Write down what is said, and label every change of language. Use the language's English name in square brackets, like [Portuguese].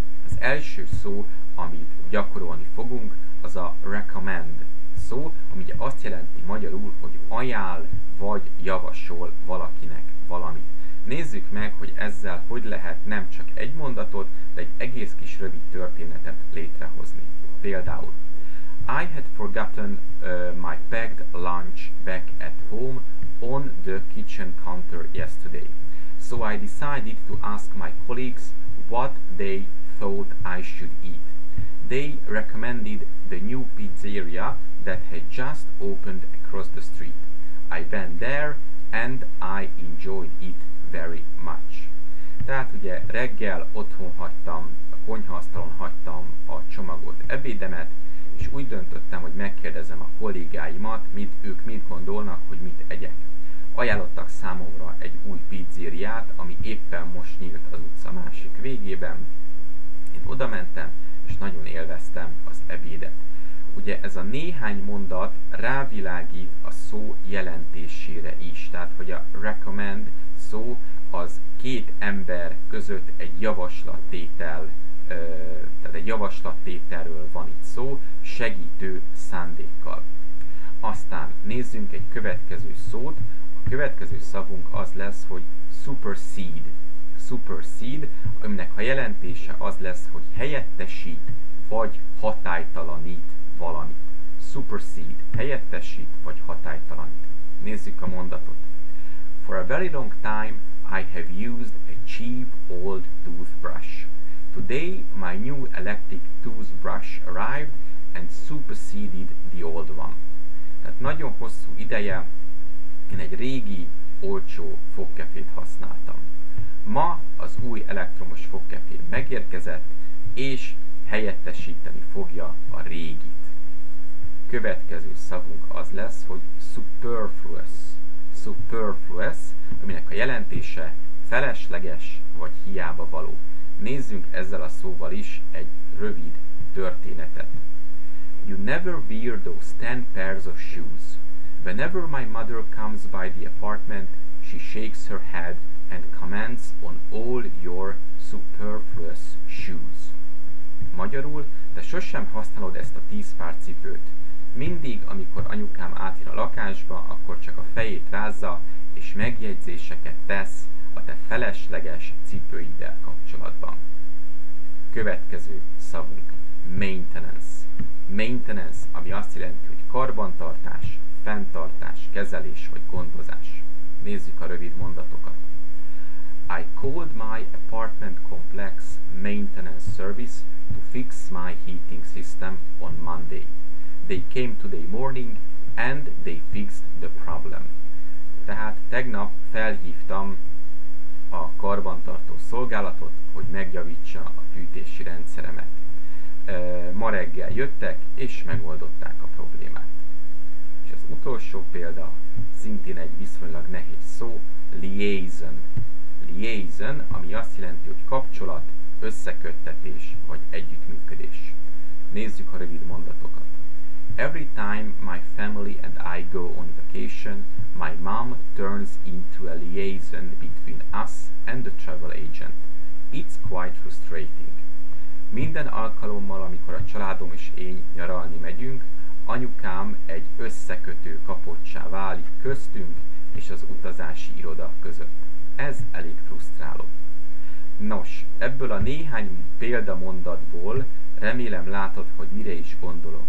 [Hungarian] Az első szó, amit gyakorolni fogunk, az a recommend szó, ami ugye azt jelenti magyarul, hogy ajánl vagy javasol valakinek valamit. Nézzük meg, hogy ezzel hogy lehet nem csak egy mondatot, de egy egész kis rövid történetet létrehozni. [English] Például, I had forgotten my packed lunch back at home on the kitchen counter yesterday, so I decided to ask my colleagues what they thought I should eat. They recommended the new pizzeria that had just opened across the street. I went there and I enjoyed it very much. [Hungarian] Tehát ugye reggel otthon hagytam, a konyhaasztalon hagytam a csomagolt ebédemet, és úgy döntöttem, hogy megkérdezem a kollégáimat, ők mit gondolnak, hogy mit egyek. Ajánlottak számomra egy új pizzériát, ami éppen most nyílt az utca másik végében. Én oda mentem, és nagyon élveztem az ebédet. Ugye ez a néhány mondat rávilágít a szó jelentésére is. Tehát, hogy a recommend szó az két ember között egy javaslattétel, tehát egy javaslattételről van itt szó, segítő szándékkal. Aztán nézzünk egy következő szót. A következő szavunk az lesz, hogy supersede. Supersede, aminek a jelentése az lesz, hogy helyettesít, vagy hatálytalanít valamit. Supersede, helyettesít, vagy hatálytalanít. Nézzük a mondatot. [English] For a very long time, I have used a cheap old toothbrush. Today, my new electric toothbrush arrived and superseded the old one. [Hungarian] Tehát nagyon hosszú ideje, én egy régi, olcsó fogkefét használtam. Ma az új elektromos fogkefé megérkezett, és helyettesíteni fogja a régit. Következő szavunk az lesz, hogy superfluous. Superfluous, aminek a jelentése felesleges vagy hiába való. Nézzünk ezzel a szóval is egy rövid történetet. [English] You never wear those 10 pairs of shoes. Whenever my mother comes by the apartment, she shakes her head and comments on all your superfluous shoes. [Hungarian] Magyarul, te sosem használod ezt a 10 pár cipőt. Mindig, amikor anyukám átjön a lakásba, akkor csak a fejét rázza és megjegyzéseket tesz a te felesleges cipőiddel kapcsolatban. Következő szavunk. Maintenance. Maintenance, ami azt jelenti, hogy karbantartás, fenntartás, kezelés vagy gondozás. Nézzük a rövid mondatokat. [English] I called my apartment complex maintenance service to fix my heating system on Monday. They came today morning and they fixed the problem. [Hungarian] Tehát tegnap felhívtam a karbantartó szolgálatot, hogy megjavítsa a fűtési rendszeremet. Ma reggel jöttek, és megoldották a problémát. És az utolsó példa, szintén egy viszonylag nehéz szó, liaison. Liaison, ami azt jelenti, hogy kapcsolat, összeköttetés, vagy együttműködés. Nézzük a rövid mondatokat. [English] Every time my family and I go on vacation, my mom turns into a liaison between us and the travel agent. It's quite frustrating. [Hungarian] Minden alkalommal, amikor a családom és én nyaralni megyünk, anyukám egy összekötő kapocsá válik köztünk és az utazási iroda között. Ez elég frusztráló. Nos, ebből a néhány példamondatból remélem látod, hogy mire is gondolok.